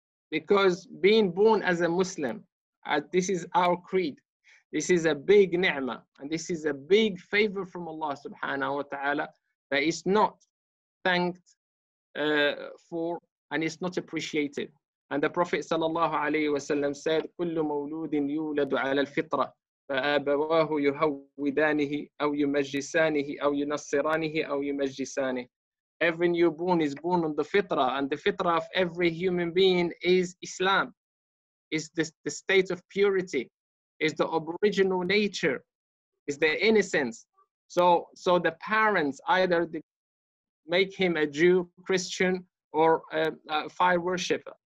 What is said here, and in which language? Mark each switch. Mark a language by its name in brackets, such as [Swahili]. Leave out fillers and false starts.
[English] Because being born as a Muslim, this is our creed. This is a big ni'mah, and this is a big favor from Allah subhanahu wa ta'ala that is not thanked for, and it's not appreciated. [Arabic] And the Prophet sallallahu alayhi wa sallam said, كُلُّ مَوْلُودٍ يُولَدُ عَلَى الْفِطْرَةِ فَآبَوَاهُ يُهَوِّدَانِهِ أَوْ يُمَجِّسَانِهِ أَوْ يُنَصِّرَانِهِ أَوْ يُمَجِّسَانِهِ. [English] Every newborn is born on the fitrah, and the fitrah of every human being is Islam, is the state of purity, is the original nature, is the innocence. So the parents either make him a Jew, Christian, or a fire worshiper.